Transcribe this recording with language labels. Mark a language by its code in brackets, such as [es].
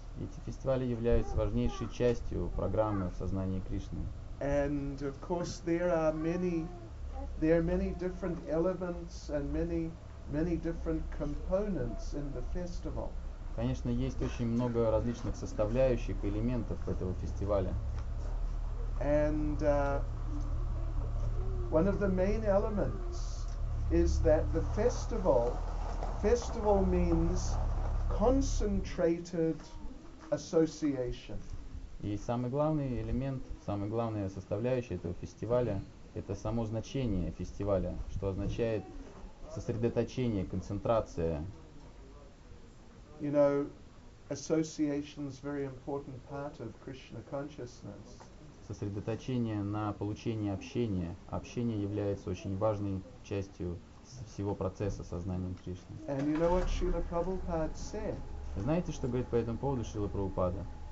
[ru] Эти фестивали являются важнейшей частью программы в сознании Кришны. [en] And of course there are many different elements and many different components in the festival. [ru] Конечно, есть очень много различных составляющих элементов этого фестиваля. [en] And one of the main elements is that the festival means concentrated association. [ru] И самый главный элемент, самая главная составляющая этого фестиваля — это само значение фестиваля, что означает сосредоточение, концентрация. [en] You know, association is very important part of Krishna consciousness. [ru] Сосредоточение на получении общения. Общение является очень важной частью всего процесса сознания Кришны. [en] And you know what Srila Prabhupada said? [ru] Знаете, что говорит по этому поводу Шрила Прабхупада?